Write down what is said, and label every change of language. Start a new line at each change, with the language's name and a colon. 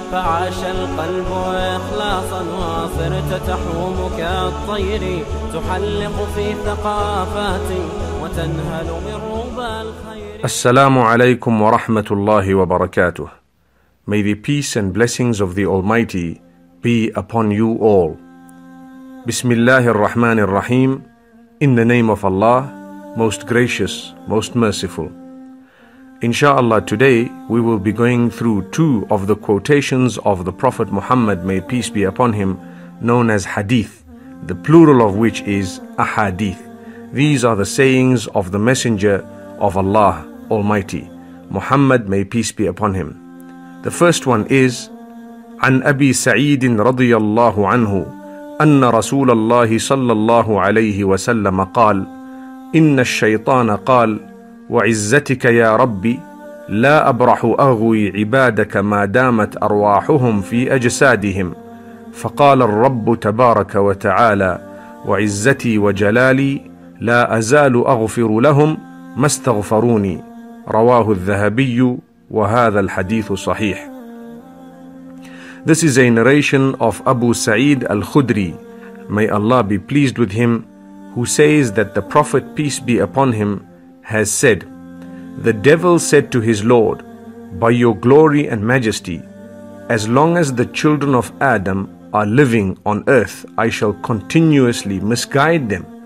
Arabic: فعاش القلب إخلاصا وصرت تحومك الطير تحلق في ثقافات وتنهل من ربى الخير. السلام عليكم ورحمة الله وبركاته.
English: May the peace and blessings of the Almighty be upon you all.
Arabic: بسم الله الرحمن الرحيم.
English: In the name of Allah, Most Gracious, Most Merciful. Insha'Allah, today we will be going through two of the quotations of the Prophet Muhammad, may peace be upon him, known as hadith, the plural of which is ahadith. These are the sayings of the Messenger of Allah Almighty, Muhammad, may peace be upon him. The first one is,
Arabic: عن أبي سعيد رضي الله عنه أن رسول الله صلى الله عليه وسلم قال إن الشيطان قال وعزتك يا ربي لا أبرح أغوي عبادك ما دامت أرواحهم في أجسادهم فقال الرب تبارك وتعالى وعزتي وجلالي لا أزال أغفر لهم ما استغفروني رواه الذهبي وهذا الحديث صحيح.
English: This is a narration of Abu Sa'id al-Khudri, may Allah be pleased with him, who says that the Prophet, peace be upon him, has said, The devil said to his Lord, By your glory and majesty, as long as the children of Adam are living on earth, I shall continuously misguide them.